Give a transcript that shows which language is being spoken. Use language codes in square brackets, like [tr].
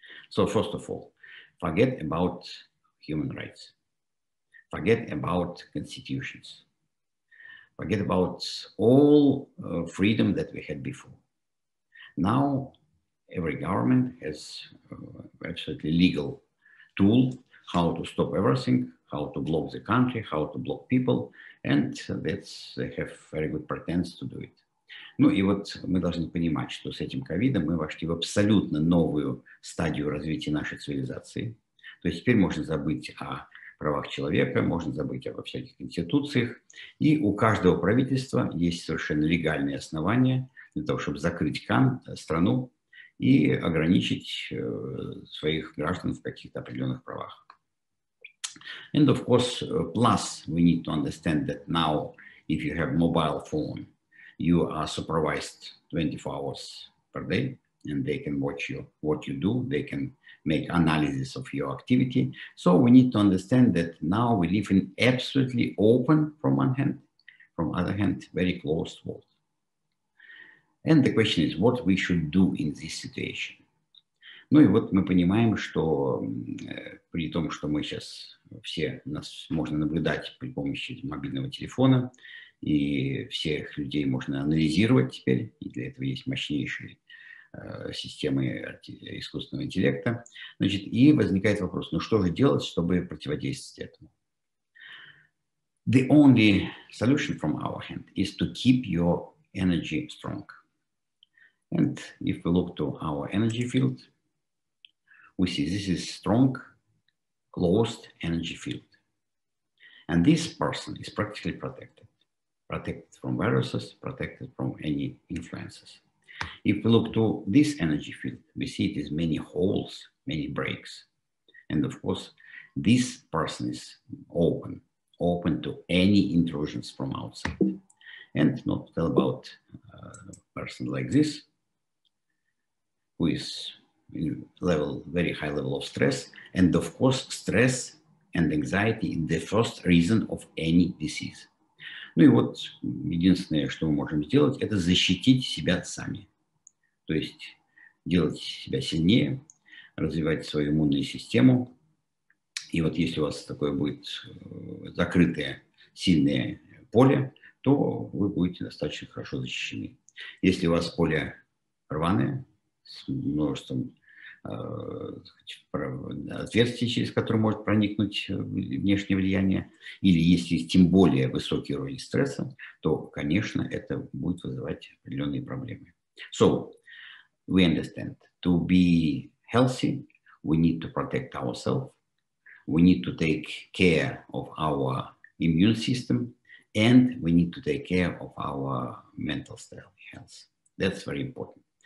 [en] So first of all, forget about human rights, forget about constitutions, forget about all freedom that we had before. Now every government has absolutely legal tool how to stop everything, how to block the country, how to block people, and that's, they have very good pretense to do it. [ru] Ну и вот мы должны понимать, что с этим ковидом мы вошли в абсолютно новую стадию развития нашей цивилизации. То есть теперь можно забыть о правах человека, можно забыть обо всяких институциях, и у каждого правительства есть совершенно легальные основания для того, чтобы закрыть страну и ограничить своих граждан в каких-то определенных правах. [en] And of course, plus we need to understand that now, if you have mobile phone, you are supervised 24 hours per day, and they can watch you what you do. They can make analysis of your activity. So we need to understand that now we live in absolutely open from one hand, from other hand, very closed world. And the question is, what we should do in this situation? [ru] Ну и вот мы понимаем, что при том, что мы сейчас все нас можно наблюдать при помощи мобильного телефона, и всех людей можно анализировать теперь, и для этого есть мощнейшие системы искусственного интеллекта. Значит, и возникает вопрос, ну что же делать, чтобы противодействовать этому? [en] The only solution from our hand is to keep your energy strong. And if we look to our energy field, we see this is strong, closed energy field. And this person is practically protected. Protected from viruses, protected from any influences. If we look to this energy field, we see it is many holes, many breaks. And of course, this person is open, open to any intrusions from outside. And not to tell about a person like this, who is level, very high level of stress, and of course stress and anxiety is the first reason of any disease. [ru] Ну и вот единственное, что мы можем сделать, это защитить себя сами. То есть делать себя сильнее, развивать свою иммунную систему. И вот если у вас такое будет закрытое сильное поле, то вы будете достаточно хорошо защищены. Если у вас поле рваное, с множеством отверстие, через которое может проникнуть внешнее влияние, или если тем более высокий уровень стресса, то, конечно, это будет вызывать определенные проблемы. [en] So, we understand, to be healthy, we need to protect ourselves, we need to take care of our immune system, and we need to take care of our mental health. That's very important.